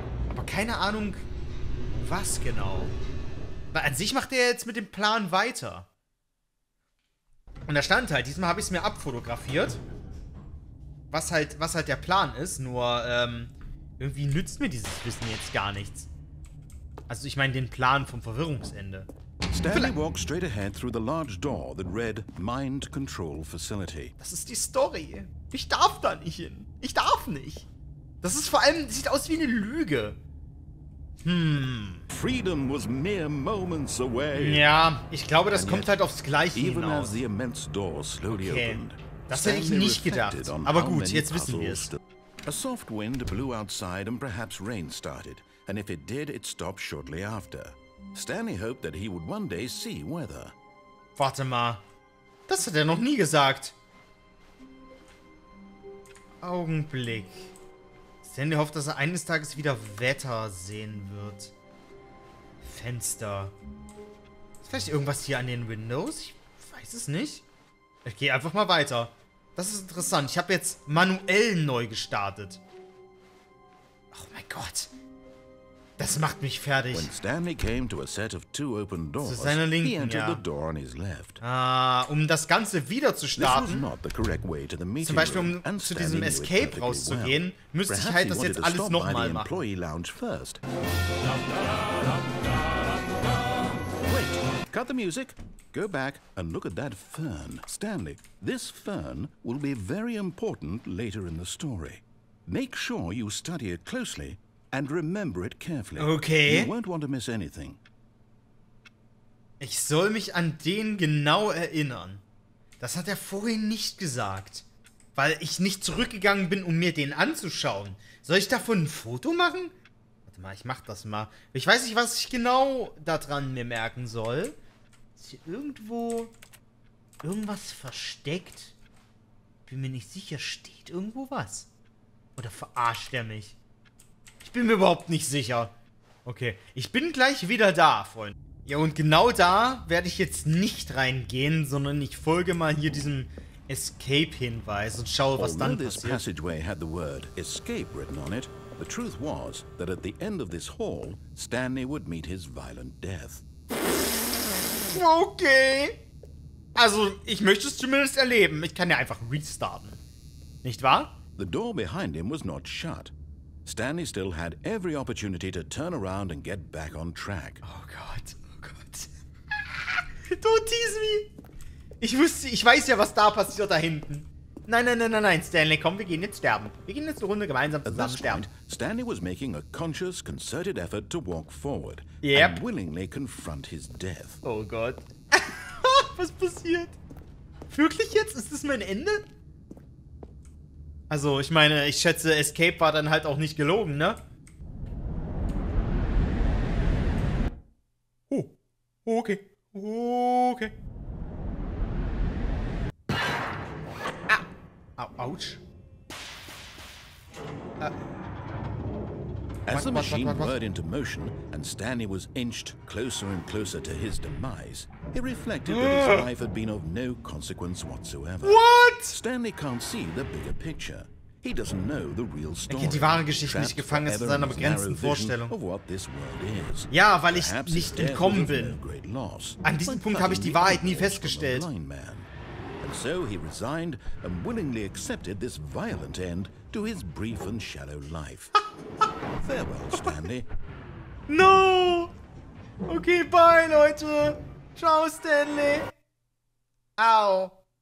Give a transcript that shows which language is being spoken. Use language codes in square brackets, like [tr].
[de] Aber keine Ahnung, was genau. Weil an sich macht er jetzt mit dem Plan weiter. Und da stand halt, diesmal habe ich es mir abfotografiert. Was halt der Plan ist. Nur irgendwie nützt mir dieses Wissen jetzt gar nichts. Also ich meine den Plan vom Verwirrungsende. [en] Stanley walked straight ahead through the large door that read Mind Control Facility. [de] Das ist die Story. Ich darf da nicht hin. Ich darf nicht. Das ist vor allem, sieht aus wie eine Lüge. [en] Freedom was mere moments away. [de] Ja, ich glaube, das kommt halt aufs Gleiche hinaus. [en] Even as the immense door slowly opened. [de] Das hätte ich nicht gedacht. Aber gut, jetzt wissen wir es. [en] A soft wind blew outside and perhaps rain started. And if it did, it stopped shortly after. Stanley hoped that he would one day see weather. [de] Warte mal. Das hat er noch nie gesagt. Augenblick. Stanley hofft, dass er eines Tages wieder Wetter sehen wird. Fenster. Ist vielleicht irgendwas hier an den Windows? Ich weiß es nicht. Ich gehe einfach mal weiter. Das ist interessant. Ich habe jetzt manuell neu gestartet. Oh mein Gott. Das macht mich fertig. [en] When Stanley came to a set of two open doors, [de] zu seiner Linken, [en] he entered [de] ja. [en] the door on his left. [de] Um das Ganze wieder zu starten, zum Beispiel um zu diesem Escape rauszugehen, müsste ich halt das jetzt alles nochmal machen. [en] Wait, cut the music. Go back and look at that fern. Stanley, this fern will be very important later in the story. Make sure you study it closely. And remember it carefully. Okay. You won't want to miss anything. [de] Ich soll mich an den genau erinnern. Das hat er vorhin nicht gesagt. Weil ich nicht zurückgegangen bin, um mir den anzuschauen. Soll ich davon ein Foto machen? Warte mal, ich mach das mal. Ich weiß nicht, was ich genau daran mir merken soll. Ist hier irgendwo irgendwas versteckt? Bin mir nicht sicher, steht irgendwo was? Oder verarscht er mich? Ich bin mir überhaupt nicht sicher. Okay, ich bin gleich wieder da, Freunde. Ja, und genau da werde ich jetzt nicht reingehen, sondern ich folge mal hier diesem Escape-Hinweis und schaue, was dann passiert. [en] Although this passageway had the word escape written on it, the truth was that at the end of this hall, Stanley would meet his violent death. Okay. [de] Also, ich möchte es zumindest erleben. Ich kann ja einfach restarten. Nicht wahr? [en] The door behind him was not shut. Stanley still had every opportunity to turn around and get back on track. [de] Oh Gott, oh Gott. [en] Don't tease me. [de] Ich weiß ja, was da passiert da hinten. Nein, Stanley, komm, wir gehen jetzt sterben. Wir gehen jetzt eine Runde gemeinsam zusammen sterben. [en] Stanley was making a conscious, concerted effort to walk forward. Yep. And willingly confront his death. [de] Oh Gott. Was passiert? Wirklich jetzt? Ist das mein Ende? Also, ich meine, ich schätze, Escape war dann halt auch nicht gelogen, ne? [en] Oh. Okay. Okay. Ouch. As the machine whirred into motion and Stanley was inched closer and closer to his demise, he reflected that his life had been of no consequence whatsoever. What? Stanley can't see the bigger picture. He doesn't know the real story. [de] Er kennt die wahre Geschichte nicht, gefangen ist in seiner begrenzten Vorstellung. Ja, weil ich nicht entkommen bin. An diesem Punkt habe ich die Wahrheit nie festgestellt. [en] And so he resigned and willingly accepted this violent end to his brief and shallow life. Farewell, Stanley. No! Okay, bye, Leute. Ciao, Stanley. Ow.